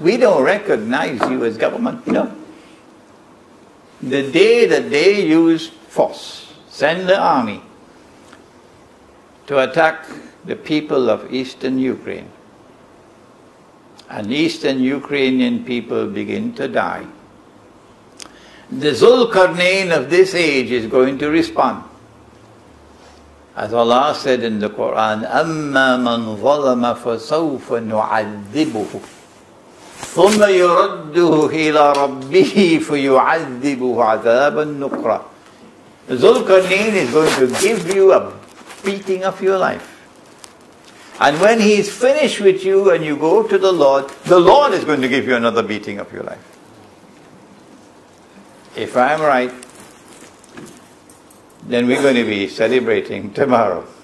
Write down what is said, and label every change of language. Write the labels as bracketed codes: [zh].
[en] We don't recognize you as government. No. The day that they use force, send the army to attack the people of Eastern Ukraine, and Eastern Ukrainian people begin to die, the Zulkarnain of this age is going to respond. As Allah said in the Quran, [ar] أَمَّا مَنْ ظَلَمَ فَسَوْفَ نُعَذِّبُهُ ثُمَّ يُرَدُّهُ إِلَىٰ رَبِّهِ فَيُعَذِّبُهُ عَذَابًا نُقْرًا. [en] Zulkarnain is going to give you a beating of your life. And when he is finished with you and you go to the Lord is going to give you another beating of your life. If I am right, then we're going to be celebrating tomorrow.